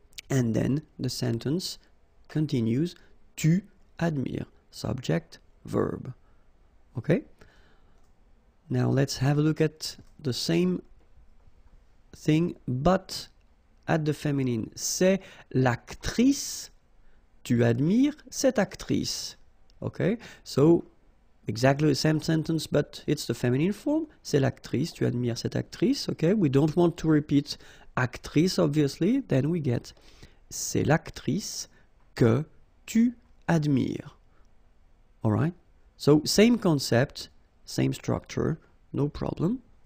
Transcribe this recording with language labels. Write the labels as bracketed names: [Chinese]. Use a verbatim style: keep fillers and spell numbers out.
[English] And then the sentence continues. [French] Tu admires. [English] Subject, verb. Okay? Now let's have a look at the same thing, but at the feminine. [French] C'est l'actrice, tu admires cette actrice. [English] Okay, so Exactly the same sentence, but it's the feminine form. [French] C'est l'actrice, tu admires cette actrice, [English] okay? We don't want to repeat actrice, obviously, then we get [French] c'est l'actrice que tu admires. [English] Alright? So, same concept, same structure, no problem.